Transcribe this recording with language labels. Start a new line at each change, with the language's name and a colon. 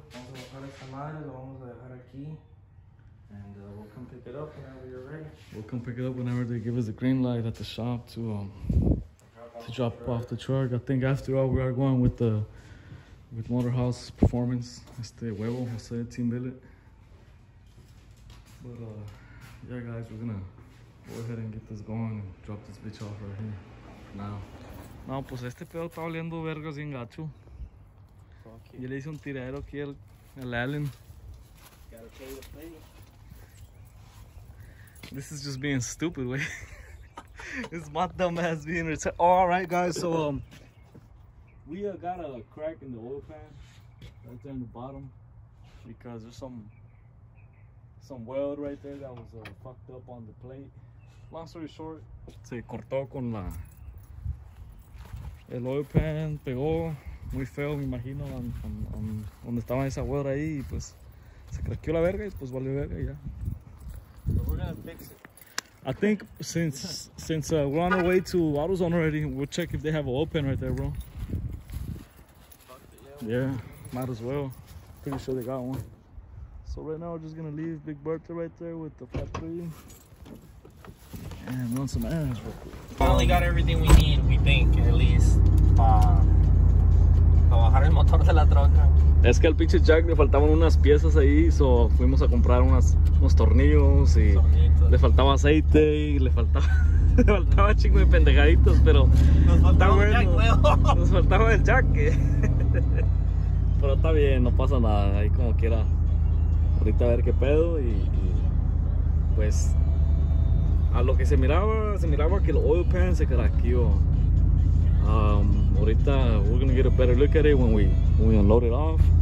Spanish: Vamos a bajar esta madre, lo vamos a dejar aquí.
English: And we'll come pick it up whenever you're ready. We'll come pick it up whenever they give us a green light at the shop to drop off the truck. I think after all, we are going with the with Motorhouse Performance.
Spanish: Este huevo, Jose, Team Billet.
English: But yeah, guys, we're gonna go ahead and get this going and drop this bitch off right here. Now.
Spanish: No, pues este pedo está oliendo verga sin gacho. Yo le hice un tiradero aquí al Allen.
English: This is just being stupid, wey. It's my dumb ass being retired. Oh, alright, guys, so we got a crack in the oil pan right there in the bottom because there's some weld right there that was fucked up on the plate. Long story short,
Spanish: se cortó con la el oil pan, pegó muy feo, me imagino, on donde estaba esa weld ahí y pues se craqueó la verga y pues valió verga ya.
English: But we're gonna fix it. I think since we're on our way to AutoZone already, we'll check if they have an oil pan right there, bro. Fuck it, yeah. Yeah, might as well. Pretty sure they got one. So right now, we're just gonna leave Big Bertha right there with the factory. And run some ads real quick. Finally got everything we need, we think, at least.
Spanish: Para bajar el motor de la troca. Es que al pinche Jack le faltaban unas piezas ahí, so fuimos a comprar unos tornillos y... Le faltaba aceite y le faltaba chingo de pendejaditos, pero nos faltaba el jack. Pero está bien, no pasa nada, ahí como quiera. Ahorita a ver qué pedo y pues a lo que se miraba que el oil pan se craqueó.
English: Ahorita we're gonna get a better look at it when we unload it off.